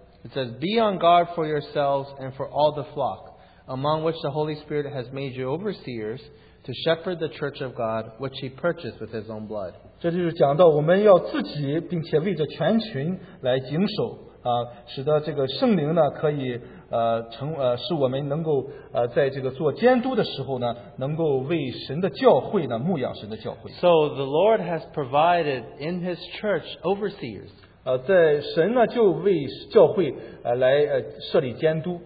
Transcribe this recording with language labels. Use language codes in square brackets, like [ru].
[en] it says, "Be on guard for yourselves and for all the flock, among which the Holy Spirit has made you overseers." To shepherd the church of God, which he purchased with his own blood. [zh] 这就是讲到我们要自己并且为着全群来谨守，使得这个圣灵呢可以，使我们能够在这个做监督的时候呢，能够为神的教会呢牧养神的教会。 [en] So the Lord has provided in His church overseers. [zh] 在神呢就为教会来设立监督